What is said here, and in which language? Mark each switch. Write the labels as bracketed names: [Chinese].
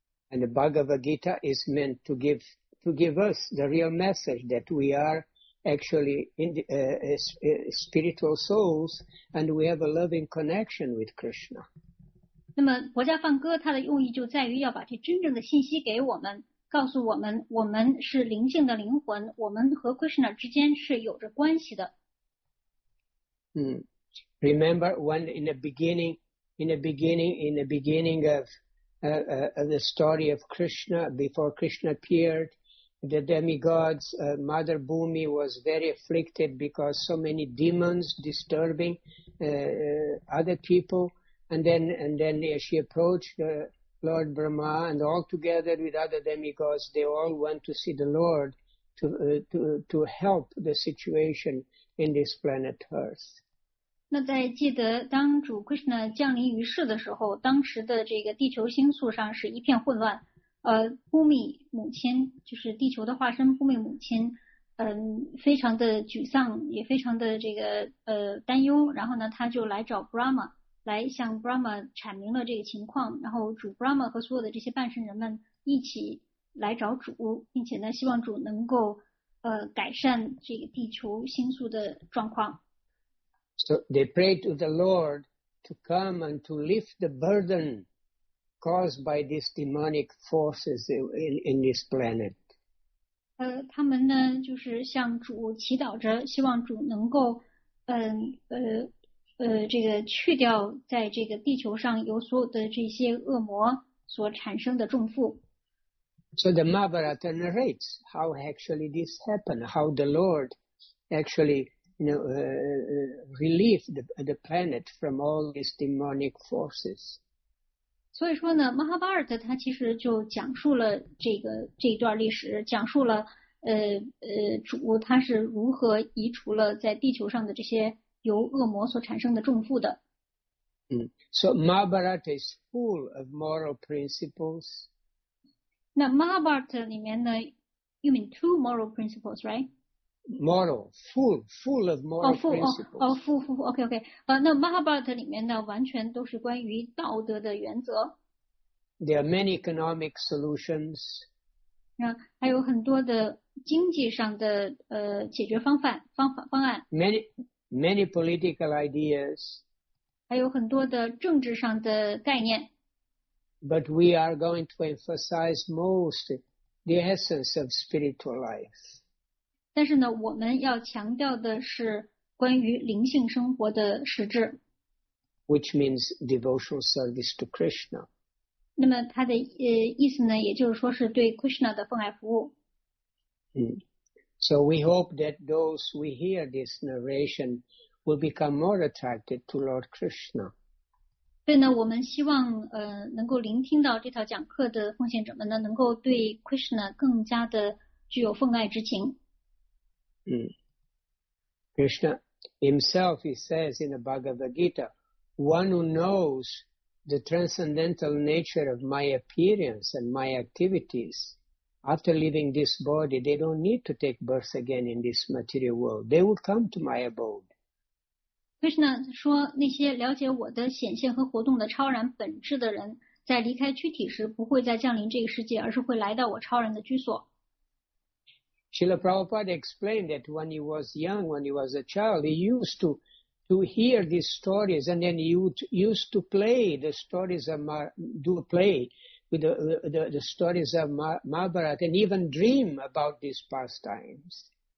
[English] And the Bhagavad Gita is meant to give us the real message that we are actually spiritual souls and we have a loving connection with Krishna. [Chinese] 那么国家梵歌它的用意就在于要把这真正的信息给我们。告诉我们，我们是灵性的灵魂，我们和 Krishna 之间是有着关系的。 [English] Remember when in the beginning of the story of Krishna, before Krishna appeared, the demigods, Mother Bhumi was very afflicted because so many demons disturbing other people, and then she approached Lord Brahma, and all together with other demigods, they all went to see the Lord to help the situation in this planet Earth. [Chinese] 那在记得当主 Krishna 降临于世的时候，当时的这个地球星宿上是一片混乱。 Bhumi 母亲就是地球的化身 ，Bhumi 母亲，非常的沮丧，也非常的这个担忧。然后呢，他就来找 Brahma。来向 Brahma 阐明了这个情况，然后主 Brahma 和所有的这些半神人们一起来找主，并且呢希望主能够改善这个地球星宿的状况。 [English] So they prayed to the Lord to come and to lift the burden caused by these demonic forces in this planet. [Chinese] 他们呢就是向主祈祷着，希望主能够这个去掉在这个地球上有所有的这些恶魔所产生的重负。 [English] So the Mahabharata narrates how actually this happened, how the Lord actually, relieved the planet from all these demonic forces. [Chinese] 所以说呢 ，Mahabharata 它其实就讲述了这一段历史，讲述了主他是如何移除了在地球上的这些。由恶魔所产生的重负的。 [English] So Mahabharata is full of moral principles. [Chinese] 那 Mahabharata 里面呢 [English] ，you mean two moral principles, right? Moral, full of moral principles. [Chinese] Okay. 那 Mahabharata 里面呢，完全都是关于道德的原则。 [English] There are many economic solutions. [Chinese] 还有很多的经济上的解决方案。 [English] Many political ideas. [Chinese] 还有很多的政治上的概念。 [English] But we are going to emphasize most the essence of spiritual life. [Chinese] 但是呢，我们要强调的是关于灵性生活的实质。 [English] Which means devotional service to Krishna. [Chinese] 那么它的意思呢，也就是说是对 Krishna 的奉爱服务。 [English] So we hope that those who hear this narration will become more attracted to Lord Krishna. [Chinese] 所以呢，我们希望能够聆听到这条讲课的奉献者们呢，能够对 Krishna 更加的具有奉爱之情。 [English] Krishna himself, he says in the Bhagavad Gita, one who knows the transcendental nature of my appearance and my activities, after leaving this body, they don't need to take birth again in this material world. They will come to my abode. [Chinese] Krishna 说，那些了解我的显现和活动的超然本质的人，在离开躯体时不会再降临这个世界，而是会来到我超然的居所。 [English] Srila Prabhupada explained that when he was young, when he was a child, he used to hear these stories, and then he used to play the stories of play with the stories of Mahabharata, and even dream about these pastimes.